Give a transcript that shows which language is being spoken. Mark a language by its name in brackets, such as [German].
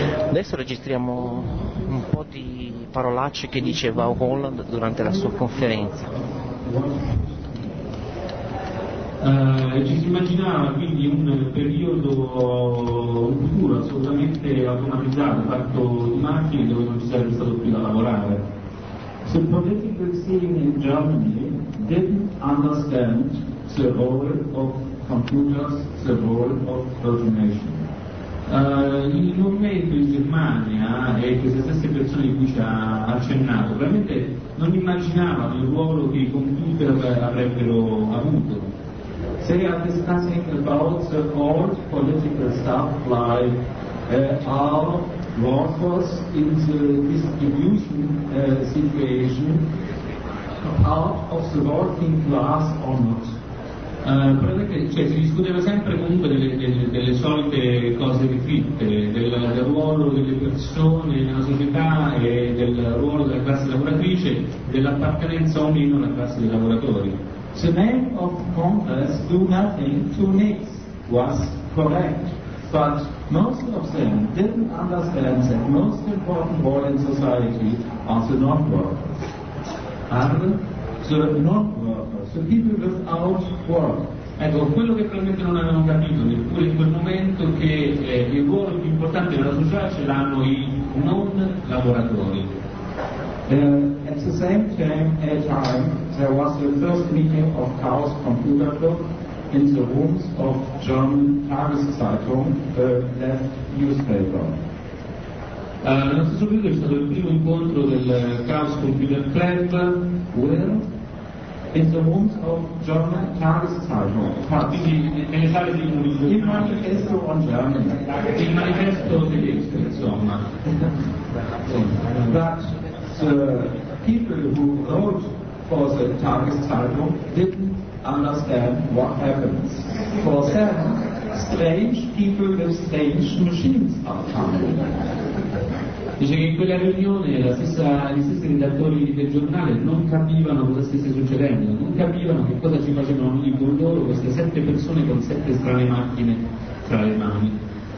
[Italian] Adesso registriamo un po' di parolacce che dice Wau Holland durante la sua conferenza. Ci si immaginava quindi un periodo futuro assolutamente automatizzato, fatto di macchine dove non ci sarebbe stato più da lavorare. [English] The political scene in Germany didn't understand the role of computers, the role of automation. [Italian] Il momento in Germania, e queste stesse persone di cui ci ha accennato, veramente non immaginavano il ruolo che i computer avrebbero avuto. [English] They are discussing about the old political stuff like how workers in the distribution situation out of the working class or not. [Italian] Cioè, si discuteva sempre comunque delle solite cose fritte, del ruolo delle persone nella società e del ruolo della classe lavoratrice, dell'appartenenza o meno alla classe dei lavoratori. [English] The name of Congress do nothing to nix was correct, but most of them didn't understand that most important role in society are the non-workers. And the non-workers, the people without work. [Italian] Ecco, quello che probabilmente non avevano capito neppure in quel momento è che il ruolo più importante della società ce l'hanno i non lavoratori. [English] At the same time, there was the first meeting of Chaos Computer Club in the rooms of German Tageszeitung, the left newspaper. [Italian] Nello stesso periodo c'è stato il primo incontro del Chaos Computer Club, [English] where? In the rooms of German Tageszeitung. [Italian] Quindi nelle sale di un [English] il manifesto on German. [Italian] Il manifesto tedesco, insomma. [English] But the people who wrote for the Tageszeitung didn't understand what happens. For them, strange people with strange machines are coming. [Italian] Dice che in quella riunione gli stessi redattori del giornale non capivano cosa stesse succedendo, non capivano che cosa ci facevano ogni con loro queste sette persone con sette strane macchine tra le mani.